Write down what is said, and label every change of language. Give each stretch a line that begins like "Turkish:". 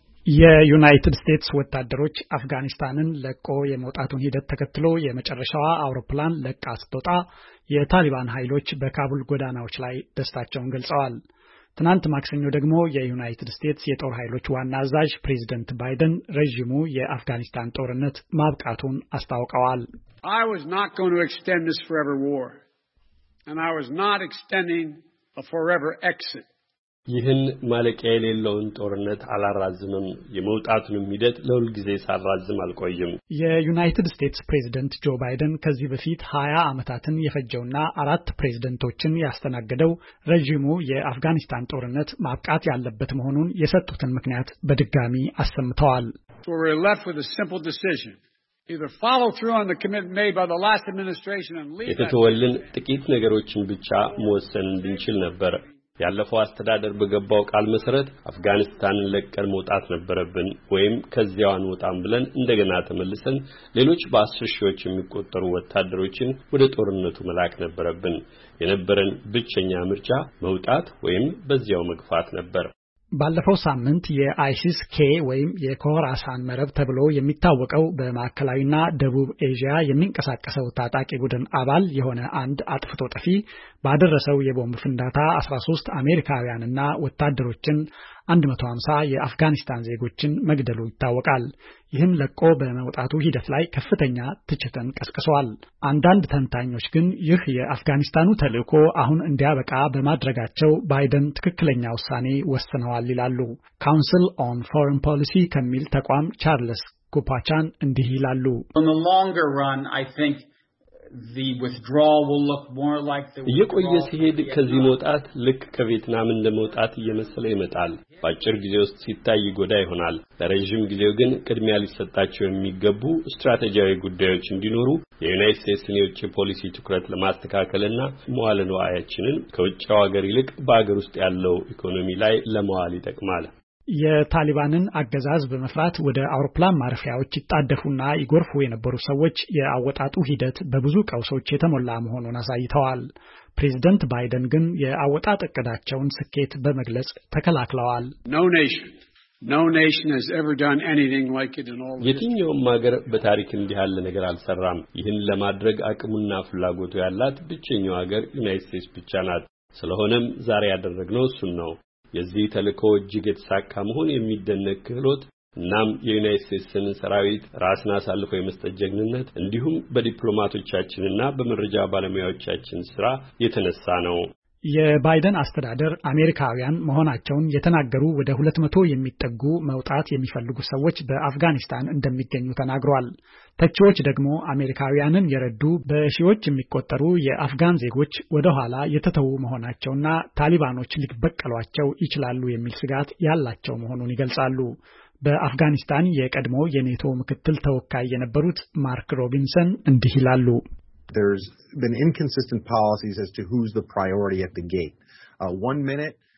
Amharic: የዩናይትድ ስቴትስ ወታደሮች አፍጋኒስታንን ለቆ የመውጣቱን ሂደት ተከትሎ የመጨረሻዋ አውሮፕላን ለቃ ስትወጣ የታሊባን ኃይሎች በካቡል ጎዳናዎች ላይ ደስታቸውን ገልጸዋል። ትናንት ማክሰኞ ደግሞ የዩናይትድ ስቴትስ የጦር ኃይሎች ዋና አዛዥ ፕሬዝዳንት ባይደን ረጅሙ የአፍጋኒስታን ጦርነት ማብቃቱን አስታውቀዋል።
English: I was not going to extend this forever war and I was not extending a forever exit.
Amharic: ይህን ማለቂያ የሌለውን ጦርነት አላራዝምም። የመውጣቱንም ሂደት ለሁል ጊዜ ሳራዝም አልቆይም። የዩናይትድ ስቴትስ ፕሬዝዳንት ጆ ባይደን ከዚህ በፊት 20 ዓመታትን የፈጀውና 4 ፕሬዝዳንቶችን ያስተናገደው ረጅሙ የአፍጋኒስታን ጦርነት ማብቃት ያለበት መሆኑን የሰጡትን ምክንያት በድጋሚ አስተምተዋል።
English: So we're left with a simple decision. Either follow through on the commitment made by the last administration and leave.
Amharic: የተወልን ጥቂት ነገሮችን ብቻ መወሰን እንችል ነበር። ያለፈው አስተዳደር በገባው ቃል መሰረት አፍጋኒስታንን ለቀን መውጣት ነበረብን ወይም ከዚያውን ወጣን ብለን እንደገና ተመልሰን ሌሎች በ10ሺዎች የሚቆጠሩ ወታደሮችን ወደ ጦርነቱ መላክ ነበረብን። የነበረን ብቸኛ ምርጫ መውጣት ወይም በዚያው መግፋት ነበር። ባለፈው ሳምንት የአይሲስ ኬ ወይም የኮራሳን መረብ ተብሎ የሚታወቀው በማዕከላዊና ደቡብ ኤዥያ የሚንቀሳቀሰው ታጣቂ ቡድን አባል የሆነ አንድ አጥፍቶ ጠፊ ባደረሰው የቦምብ ፍንዳታ 13 አሜሪካውያንና ወታደሮችን 150 የአፍጋኒስታን ዜጎችን መግደሉ ይታወቃል። ይህም ለቆ በመውጣቱ ሂደት ላይ ከፍተኛ ትችትን ቀስቅሷል። አንዳንድ ተንታኞች ግን ይህ የአፍጋኒስታኑ ተልእኮ አሁን እንዲያበቃ በማድረጋቸው ባይደን ትክክለኛ ውሳኔ ወስነዋል ይላሉ። ካውንስል ኦን ፎሬን ፖሊሲ ከሚል ተቋም ቻርልስ ኩፓቻን እንዲህ ይላሉ።
English: In the longer run, I think the withdrawal will look more like the
Amharic: የቆየ ሲሄድ ከዚህ መውጣት ልክ ከቪየትናም እንደመውጣት እየመሰለ ይመጣል። ባጭር ጊዜ ውስጥ ሲታይ ጎዳ ይሆናል። ለረጅም ጊዜው ግን ቅድሚያ ሊሰጣቸው የሚገቡ ስትራቴጂያዊ ጉዳዮች እንዲኖሩ የዩናይትድ ስቴትስ የውጭ ፖሊሲ ትኩረት ለማስተካከልና መዋለ ንዋያችንን ከውጭው ሀገር ይልቅ በአገር ውስጥ ያለው ኢኮኖሚ ላይ ለመዋል ይጠቅማል። የታሊባንን አገዛዝ በመፍራት ወደ አውሮፕላን ማረፊያዎች ይጣደፉና ይጎርፉ የነበሩ ሰዎች የአወጣጡ ሂደት በብዙ ቀውሶች የተሞላ መሆኑን አሳይተዋል። ፕሬዝዳንት ባይደን ግን የአወጣጥ እቅዳቸውን ስኬት በመግለጽ ተከላክለዋል።
English: No nation has ever done anything like it in all
Amharic: የትኛውም ሀገር በታሪክ እንዲህ ያለ ነገር አልሰራም። ይህን ለማድረግ አቅሙና ፍላጎቱ ያላት ብቸኛው ሀገር ዩናይትድ ስቴትስ ብቻ ናት። ስለሆነም ዛሬ ያደረግነው እሱን ነው። የዚህ ተልእኮ እጅግ የተሳካ መሆን የሚደነቅ ክህሎት እናም የዩናይትድ ስቴትስን ሰራዊት ራስን አሳልፎ የመስጠት ጀግንነት እንዲሁም በዲፕሎማቶቻችንና በመረጃ ባለሙያዎቻችን ስራ የተነሳ ነው። የባይደን አስተዳደር አሜሪካውያን መሆናቸውን የተናገሩ ወደ 200 የሚጠጉ መውጣት የሚፈልጉ ሰዎች በአፍጋኒስታን እንደሚገኙ ተናግሯል። ተቺዎች ደግሞ አሜሪካውያንን የረዱ በሺዎች የሚቆጠሩ የአፍጋን ዜጎች ወደ ኋላ የተተዉ መሆናቸውና ታሊባኖች ሊበቀሏቸው ይችላሉ የሚል ስጋት ያላቸው መሆኑን ይገልጻሉ። በአፍጋኒስታን የቀድሞ የኔቶ ምክትል ተወካይ የነበሩት ማርክ ሮቢንሰን እንዲህ ይላሉ።
English: There's been inconsistent policies as to who's the priority at the gate. One minute